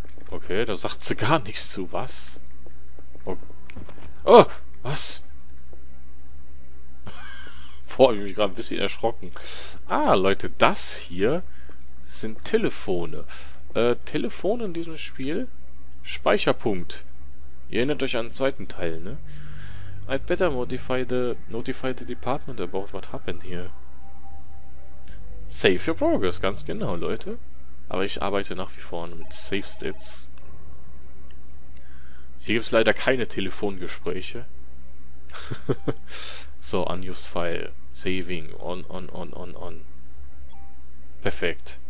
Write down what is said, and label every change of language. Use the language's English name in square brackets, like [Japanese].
[German] Okay, da sagt sie gar nichts zu. Was? Okay. Oh! Was? Boah, ich bin gerade ein bisschen erschrocken. Ah, Leute, das hier sind Telefone. Telefone in diesem Spiel? Speicherpunkt. Ihr erinnert euch an den zweiten Teil, ne? [English] I'd better notify the department about what happened here. Save your progress, [German] ganz genau, Leute. Aber ich arbeite nach wie vor mit Save States. Hier gibt es leider keine Telefongespräche. [English] So, unused file. Saving. On. Perfekt.